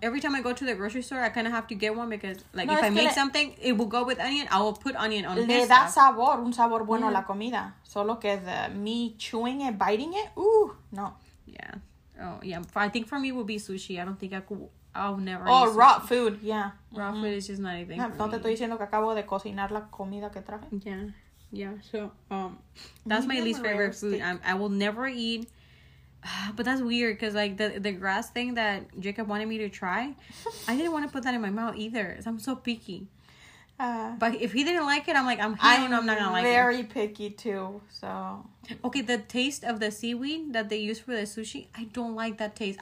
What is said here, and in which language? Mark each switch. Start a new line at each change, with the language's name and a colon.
English: Every time I go to the grocery store, I kind of have to get one because, like, if I make something, it will go with onion. I will put onion on
Spanish: this. Le da sabor, un sabor bueno a la comida. Solo que me
English: chewing it, biting it,
Spanish: ooh, no.
English: Yeah. Oh, yeah. I think for me, it would be sushi. I don't think I could... I'll never eat sushi. Raw food. Yeah. Raw food is just not anything for me.
Spanish: No, te estoy diciendo que acabo de cocinar la comida que traje.
English: Yeah. So, that's my least favorite food. I will never eat... But that's weird, because, like, the grass thing that Jacob wanted me to try, I didn't want to put that in my mouth either. I'm so picky. But if he didn't like it, I'm like, I'm not going to like it. I'm very picky, too, so. Okay, the taste of the seaweed that they use for the sushi, I don't like that taste.